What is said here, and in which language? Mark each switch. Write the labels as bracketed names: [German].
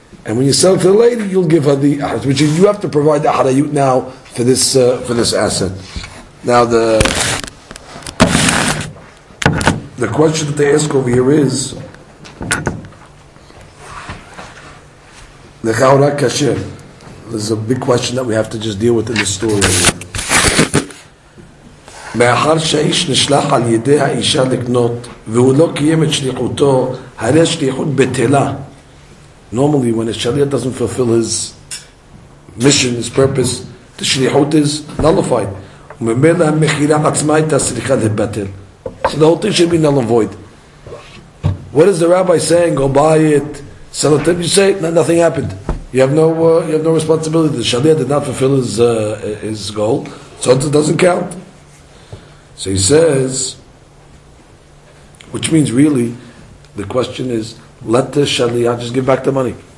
[English] And when you sell it to the lady, you'll give her the aharayut. Which is, you have to provide the aharayut now for this asset. Now the question that they ask over here is, the chaura kasher. There's a big question that we have to just deal with in the story. [Hebrew] מאחר שהאיש נשלח על ידי האישה לקנות והוא לא קיים את שליחותו, הרי השליחות בטלה. [English] Normally, when a shaliach doesn't fulfill his mission, his purpose, the שליחות is nullified. [Hebrew] וממילא המכירה עצמה הייתה צריכה לבטל. [English] So the whole thing should be null and void. What is the rabbi saying? Go buy it, sell it. You say, nothing happened. You have no responsibility. The shaliach did not fulfill his goal, so it doesn't count. So he says, which means really, the question is, let the shaliach just give back the money.